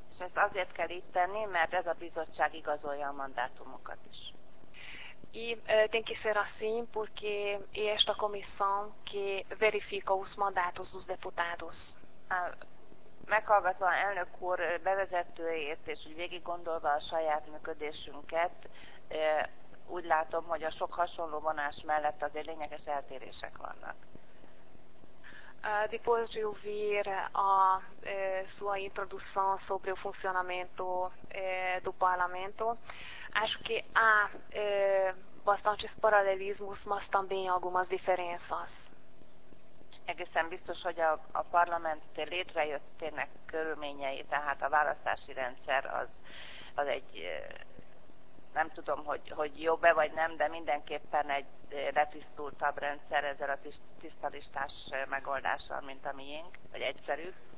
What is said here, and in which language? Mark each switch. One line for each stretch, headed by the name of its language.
Hungarian: És ezt azért kell itt tenni, mert ez a bizottság igazolja a mandátumokat is.
Portuguese: E tem que ser assim porque é esta comissão que verifica os mandatos dos deputados.
Hungarian: meghallgatva elnök úr bevezetőjét, és úgy végig gondolva a saját működésünket, úgy látom, hogy a sok hasonló vonás mellett azért lényeges eltérések vannak.
Portuguese: Depois de ouvir a sua introdução sobre o funcionamento do Parlamento, acho que há bastantes paralelismos, mas também algumas diferenças.
Hungarian: Egészen biztos, hogy a parlament létrejöttének körülményei, tehát a választási rendszer az egy, nem tudom, hogy jobb-e vagy nem, de mindenképpen egy letisztultabb rendszer ezzel a tisztalistás megoldással, mint a miénk, vagy egyszerűbb.